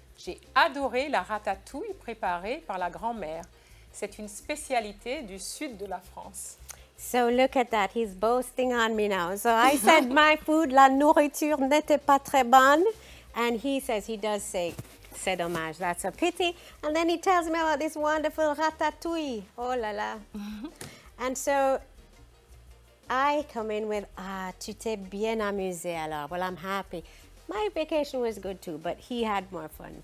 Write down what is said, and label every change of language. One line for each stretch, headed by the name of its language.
French: J'ai adoré la ratatouille préparée par la grand-mère. C'est une spécialité du sud de la France.
English: So look at that, he's boasting on me now. So I said my food,
French: la nourriture n'était pas très bonne.
English: And he says, he does say,
French: c'est dommage,
English: that's a pity. And then he tells me about this wonderful ratatouille. Oh là là. And so I come in with,
French: ah, tu t'es bien amusé alors.
English: Well, I'm happy. My vacation was good too, but he had more fun.